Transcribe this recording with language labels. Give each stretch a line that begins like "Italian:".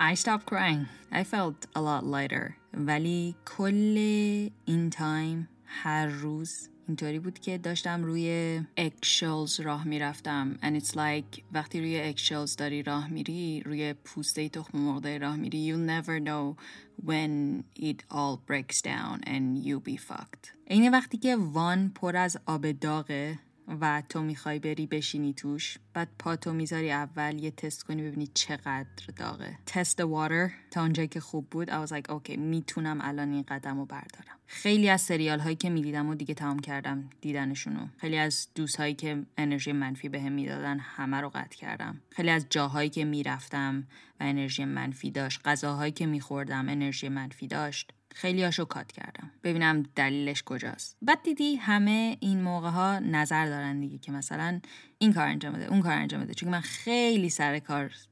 English: I stopped crying. I felt a lot lighter.
Persian: ولی کل این تایم هر روز اینطوری بود که داشتم روی eggshells راه میرفتم.
English: And it's like
Persian: وقتی روی eggshells داری راه میری روی پوسته تخم مرغ داری راه میری
English: you'll never know when it all breaks down and you'll be fucked.
Persian: اینه وقتی که وان پر از آب داغه و تو میخوای بری بشینی توش بعد پا تو میذاری اول یه تست کنی ببینی چقدر داغه
English: test the water
Persian: تا اونجایی که خوب بود
English: I was like okay
Persian: میتونم الان این قدم رو بردارم خیلی از سریال هایی که میدیدم و دیگه تمام کردم دیدنشونو خیلی از دوست هایی که انرژی منفی به هم میدادن همه رو قطع کردم خیلی از جاهایی که میرفتم و انرژی منفی داشت غذاهایی که میخوردم انرژی منفی داشت خیلی هاشو کات کردم ببینم دلیلش کجاست بعد دیدی همه این موقع ها نظر دارن دیگه که مثلا این کار انجام بده اون کار انجام بده چون من خیلی سر کار